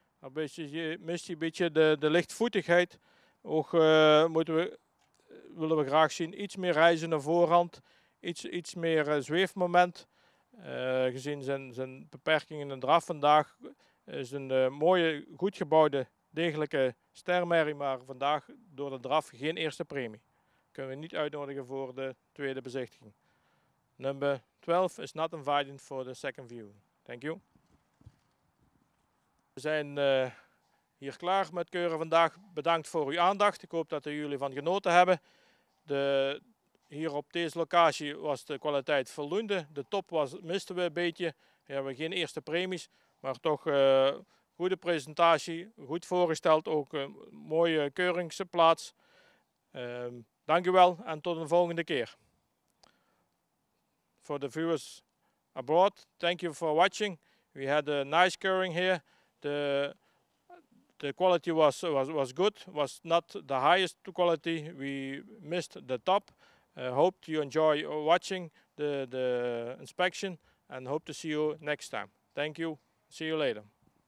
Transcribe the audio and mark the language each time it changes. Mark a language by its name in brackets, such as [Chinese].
[Dutch] Een beetje, mist hij een beetje de lichtvoetigheid. Ook willen we graag zien iets meer reizende voorhand, iets meer zweefmoment. Gezien zijn beperkingen in de draf vandaag is een mooie, goed gebouwde, degelijke stermerrie, maar vandaag door de draf geen eerste premie. Kunnen we niet uitnodigen voor de tweede bezichtiging. [English] Nummer 12 is not invited for the second view. Thank you. [Dutch] We zijn hier klaar met keuren vandaag. Bedankt voor uw aandacht. Ik hoop dat jullie van genoten hebben. Hier op deze locatie was de kwaliteit voldoende. De top misten we een beetje. We hebben geen eerste premies, maar toch goede presentatie. Goed voorgesteld, ook een mooie keuringsplaats. Dank u wel en tot een volgende keer. [English] For the viewers abroad, thank you for watching. We had a nice curing here. The quality was good, was not the highest quality. We missed the top. Hope you enjoy watching the inspection and hope to see you next time. Thank you. See you later.